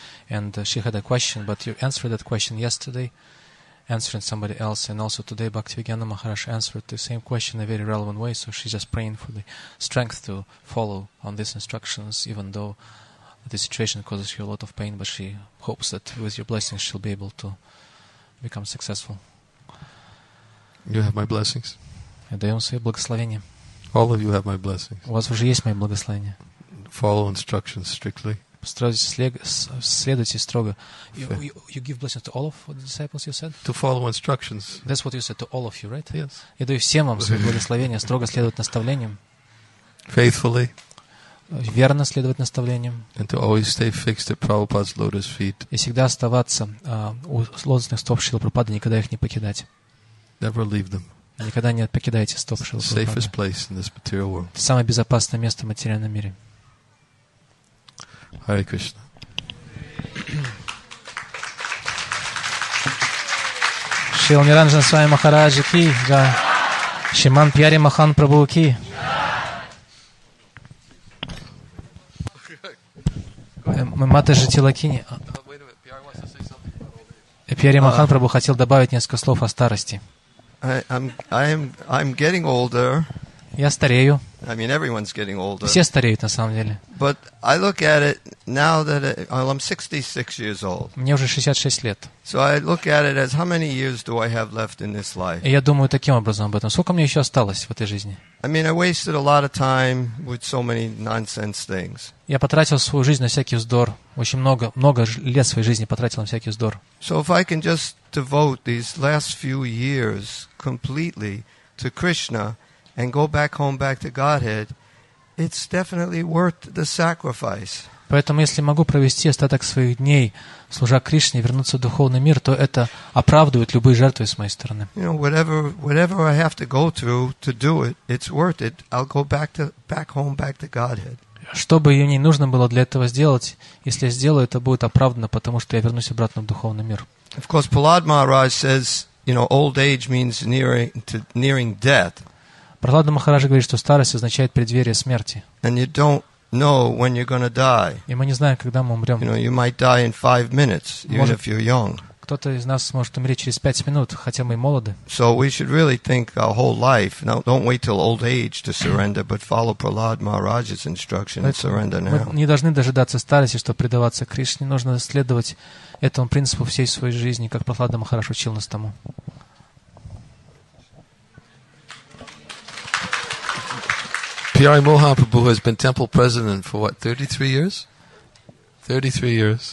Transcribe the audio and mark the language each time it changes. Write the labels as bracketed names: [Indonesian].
[English] And she had a question, but you answered that question yesterday, answering somebody else, and also today Bhaktivedanta Maharaj answered the same question in a very relevant way, so she's just praying for the strength to follow on these instructions, even though the situation causes her a lot of pain, but she hopes that with your blessings she'll be able to become successful. You have my blessings. [Russian] Отдаём свои благословения. [English] All of you have my blessings. [Russian] У вас уже есть мои благословения. [English] Follow instructions strictly. [Russian] Следуйте строго. [English] You give blessings to all of the disciples, you said? To follow instructions. That's what you said to all of you, right? Yes. [Russian] Я даю всем вам благословение, строго следовать наставлениям. [English] Faithfully. [Russian] верно следовать наставлениям. [English] And to always stay fixed at Prabhupada's lotus feet. [Russian] И всегда оставаться у лотосных стоп Шрилы Прабхупады, никогда их не покидать. [English] Never leave them. [Russian] Никогда не покидайте стоп Шрилы Прабхупады. [English] Safest place in this material world. [Russian] Это самое безопасное место в материальном мире. [Sanskrit] Hare Krishna. [Russian] Шрила Ниранджана Свами Махараджа Ки, да. Шриман Пьяри Махан Прабху Ки. Матаджи Тилакини. Пьяри Махан Прабху хотел добавить несколько слов о старости. [English] I'm getting older. [Russian] Я старею. [English] I mean, everyone's getting older. [Russian] Все стареют, на самом деле. [English] But I look at it now that I'm 66 years old. [Russian] Мне уже 66 лет. [English] So I look at it as how many years do I have left in this life? [Russian] И я думаю таким образом об этом. Сколько мне еще осталось в этой жизни? [English] I mean, I wasted a lot of time with so many nonsense things. [Russian] Я потратил свою жизнь на всякий вздор. Очень много лет своей жизни потратил на всякий вздор. [English] So if I can just devote these last few years completely to Krishna and go back home, back to Godhead, it's definitely worth the sacrifice. [Russian] Поэтому, если могу провести остаток своих дней, служа Кришне, вернуться в духовный мир, то это оправдывает любые жертвы с моей стороны. [English] You know, whatever I have to go through to do it, it's worth it. I'll go back home, back to Godhead. [Russian] Что бы мне нужно было для этого сделать, если я сделаю, это будет оправдано, потому что я вернусь обратно в духовный мир. [English] Of course, Prahlad Maharaj says, you know, old age means nearing death. [Russian] Прахлада Махараджа говорит, что старость означает преддверие смерти. [English] And you don't know when you're gonna die. [Russian] И мы не знаем, когда мы умрем. [English] You know, you might die in 5 minutes, even if you're young. [Russian] Кто-то из нас может умереть через 5 минут, хотя мы и молоды. [English] So we should really think our whole life. Now, don't wait till old age to surrender, but follow Prahlad Maharaj's instruction and surrender now. [Russian] Мы не должны дожидаться старости, чтобы предаваться Кришне. Нужно следовать этому принципу всей своей жизни, как Прахлада Махарадж учил нас тому. [English] Пьяри Мохан Прабху has been temple president for what, 33 years? 33 years.